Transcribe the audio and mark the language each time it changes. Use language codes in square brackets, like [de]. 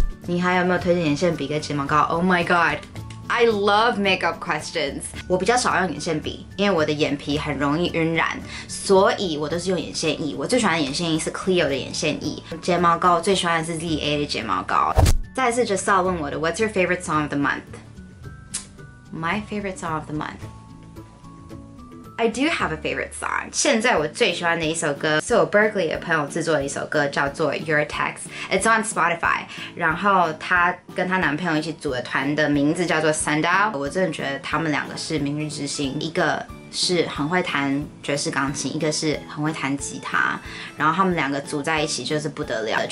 [zh] 你还有没有推荐眼线笔跟睫毛膏 ？ [en] Oh my god， I love makeup questions。 [zh] 我比较少用眼线笔，因为我的眼皮很容易晕染，所以我都是用眼线液。我最喜欢的眼线液是 Clio 的眼线液，睫毛膏我最喜欢的是 ZA 的睫毛膏。再次 [en] Jessal [zh] 问我的 [en] ，What's your favorite song of the month？ My favorite song of the month。 I do have a favorite song. [zh] 现在我最喜欢的一首歌是我 Berkeley 的朋友制作的一首歌，叫做 Your Text. [en] It's on Spotify. [zh] 然后她跟她男朋友一起组的团的名字叫做 Sandow. 我真的觉得他们两个是明日之星，一个是很会弹爵士钢琴，一个是很会弹吉他，然后他们两个组在一起就是不得了。